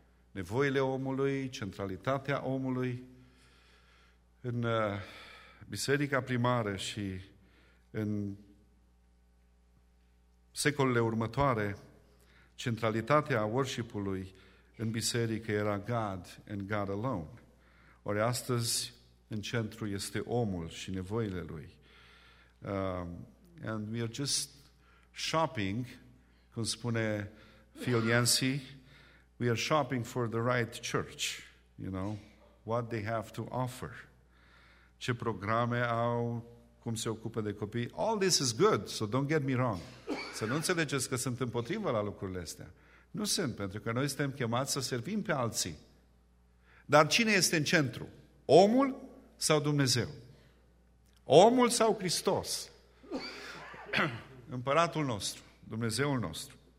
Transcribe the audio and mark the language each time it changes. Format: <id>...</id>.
<ro>Nevoile omului, centralitatea omului în biserica primară și în secolele următoare, centralitatea worship-ului în biserică era</ro> <en>God and God alone.</en> <ro>Ori astăzi, în centru este omul și nevoile lui.</ro> <en>And we are just shopping,</en> <ro>cum spune Phil Yancey,</ro> <en>we are shopping for the right church, you know, what they have to offer.</en> <ro>Ce programe au, cum se ocupă de copii.</ro> <en>All this is good, so don't get me wrong.</en> <ro>Să nu înțelegeți că sunt împotrivă la lucrurile astea. Nu sunt, pentru că noi suntem chemați să servim pe alții. Dar cine este în centru? Omul sau Dumnezeu? Omul sau Hristos? Împăratul nostru, Dumnezeul nostru.</ro>